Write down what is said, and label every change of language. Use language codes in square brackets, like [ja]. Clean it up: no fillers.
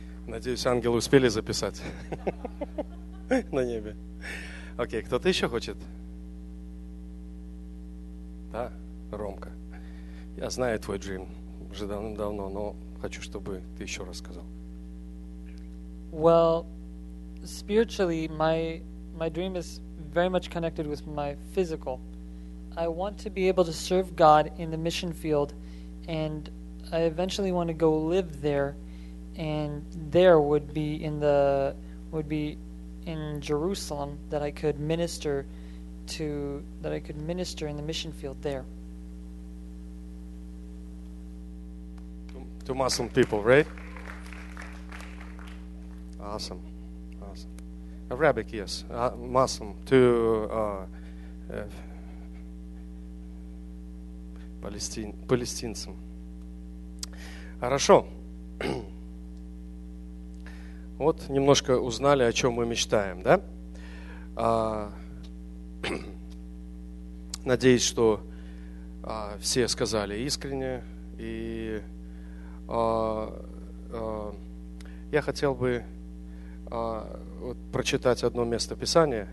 [ru] Надеюсь, ангелы успели записать на небе. Окей, кто-то еще хочет? Да, Ромка. Я знаю твой dream уже давно, но хочу, чтобы ты еще раз сказал. [en] Well, spiritually, my dream is very much connected with my physical. I want to be able to serve God in the mission field, and I eventually want to go live there, and there would be in Jerusalem that I could minister to, that I could minister in the mission field there. To Muslim people, right? Awesome. Arabic, yes. Muslim to Палестинцам. [ru] Хорошо. Вот немножко узнали, о чем мы мечтаем, да? Надеюсь, что все сказали искренне. И я хотел бы вот прочитать одно место Писания.